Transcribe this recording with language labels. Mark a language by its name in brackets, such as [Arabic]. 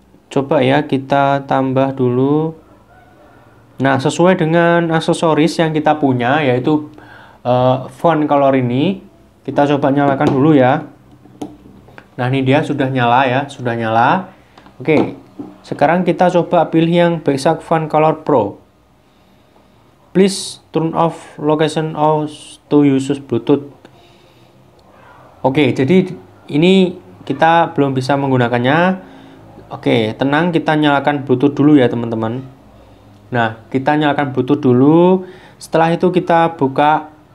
[Indonesian] Coba ya, kita tambah dulu. Nah, sesuai dengan aksesoris yang kita punya, yaitu font color ini kita coba nyalakan dulu ya. Nah, ini dia sudah nyala ya, sudah nyala. Oke, sekarang kita coba pilih yang Blackshark Font Color Pro. [English] Please turn off location of to use Bluetooth. [Indonesian] Oke, jadi ini kita belum bisa menggunakannya. Oke, tenang, kita nyalakan Bluetooth dulu ya, teman-teman. Nah, kita nyalakan Bluetooth dulu. Setelah itu kita buka.